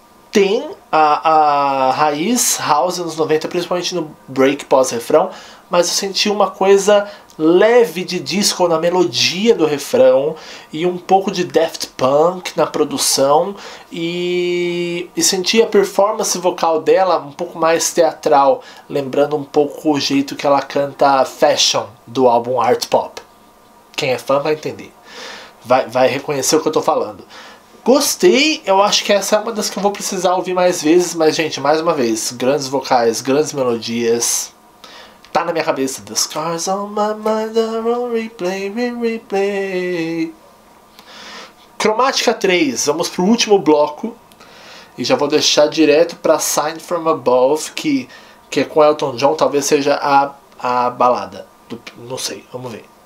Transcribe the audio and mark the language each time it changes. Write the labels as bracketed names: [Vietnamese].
[Portuguese] Tem a raiz house nos 90, principalmente no break pós-refrão, mas eu senti uma coisa leve de disco na melodia do refrão e um pouco de Daft Punk na produção e senti a performance vocal dela um pouco mais teatral, lembrando um pouco o jeito que ela canta Fashion do álbum Art Pop. Quem é fã vai entender, vai reconhecer o que eu tô falando. Gostei, eu acho que essa é uma das que eu vou precisar ouvir mais vezes, mas gente, mais uma vez, grandes vocais, grandes melodias. Tá na minha cabeça. [English] The scars on my mind are on replay, replay. [Portuguese] Cromática 3, vamos pro último bloco. E já vou deixar direto pra Sign from Above, que é com Elton John, talvez seja a balada. Não sei, vamos ver.